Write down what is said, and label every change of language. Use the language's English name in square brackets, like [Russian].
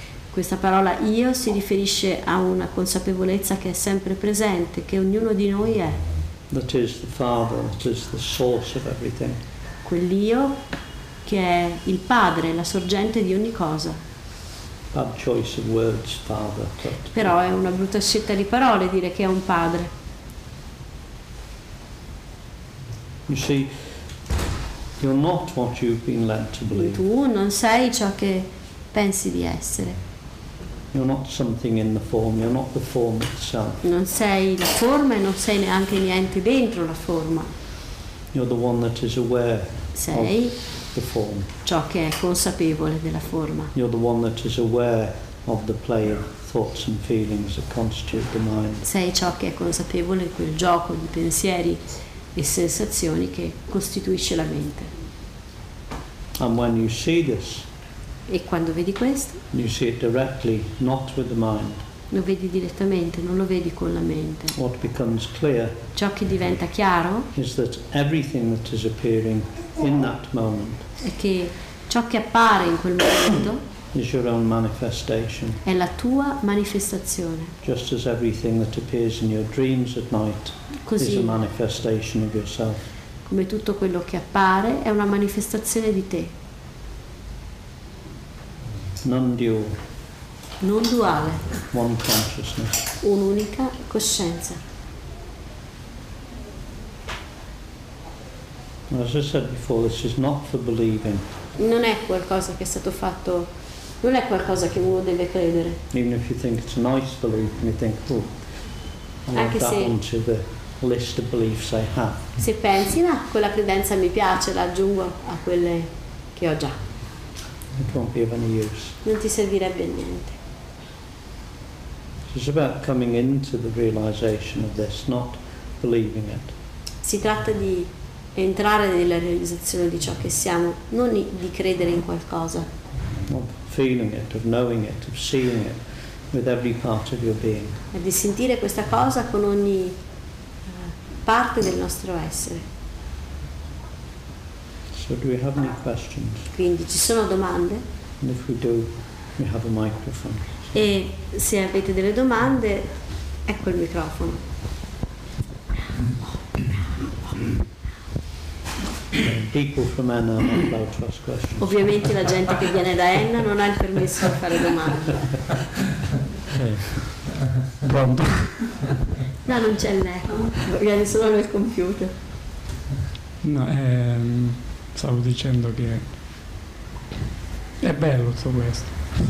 [Italian] Questa parola io si riferisce a una consapevolezza che è sempre presente, che ognuno di noi è. [English] That is the Father, that is the source of everything. [Italian] Quell'io che è il Padre, la sorgente di ogni cosa. [English] Bad choice of words, Father. But [Italian] però è una brutta scelta di parole dire che è un Padre. [English] You see, you're not what you've been led to believe. [Italian] Tu non sei ciò che pensi di essere. [English] You're not something in the form, you're not the form itself. [Italian] Non sei la forma e non sei neanche niente dentro la forma. [English] You're the one that is aware [Italian] sei [English] of the form. [Italian] Ciò che è consapevole della forma. [English] You're the one that is aware of the play of thoughts and feelings that constitute the mind. [Italian] Sei ciò che è consapevole di quel gioco di pensieri e sensazioni che costituisce la mente. [English] And when you see this, [Italian] e quando vedi questo, [English] you see it directly, not with the mind. [Italian] Lo vedi direttamente, non lo vedi con la mente. [English] What becomes clear, [Italian] ciò che diventa chiaro, [English] is that everything that is appearing in that moment, [Italian] è che ciò che appare in quel momento, [English] is your own manifestation. [Italian] È la tua manifestazione. [English] Just as everything that appears in your dreams at night, [Italian] così, [English] is a manifestation of yourself. [Italian] Come tutto quello che appare è una manifestazione di te. [English] Non-dual. [Italian] Non duale. [English] One consciousness. [Italian] Un'unica coscienza. [English] As I said before, this is not for believing. [Italian] Non è qualcosa che è stato fatto. Non è qualcosa che uno deve credere. [English] Even if you think it's a nice belief, and you think, oh, I'll [Italian] anche [English] add that [Italian] se, [English] one to the list of beliefs I have. [Italian] Se pensi, ma quella credenza mi piace, la aggiungo a quelle che ho già. [English] It won't be of any use. [Italian] Non ti servirebbe a niente. [English] So it's about coming into the realization of this, not believing it. [Italian] Si tratta di entrare nella realizzazione di ciò che siamo, non di credere in qualcosa. [English] Feeling it, of knowing it, of seeing it with every part of your being. [Italian] E di sentire questa cosa con ogni parte del nostro essere. [English] So do we have any questions? [Italian] Quindi ci sono domande? [English] And if we do, we have a microphone. [Italian] E se avete delle domande, ecco il microfono. [English] People from Enna are not allowed to ask questions. [Italian] Ovviamente la gente che viene da Enna non ha il permesso di fare domande. [English] Okay. [Italian] Pronto? No, non c'è il eco, viene solo nel computer. No, stavo dicendo che è bello tutto questo.